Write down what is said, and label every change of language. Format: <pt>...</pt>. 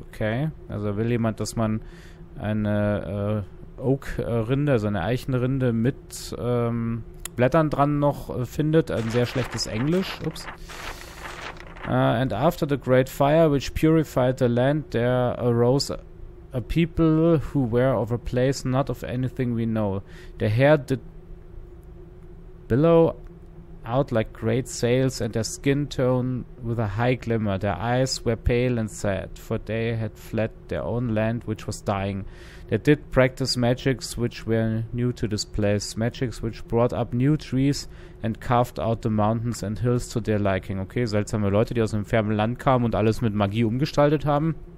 <de>Okay, also will jemand, dass man eine Oak-Rinde, also eine Eichenrinde mit Blättern dran noch findet. Ein sehr schlechtes Englisch. Ups.</de> <en>And after the great fire, which purified the land, there arose a people who were of a place not of anything we know. Their hair did billow out like great sails, and their skin tone with a high glimmer. Their eyes were pale and sad, for they had fled their own land, which was dying. They did practice magics which were new to this place, magics which brought up new trees and carved out the mountains and hills to their liking.</en> <de>Okay, seltsame Leute, die aus einem fernen Land kamen und alles mit Magie umgestaltet haben.</de>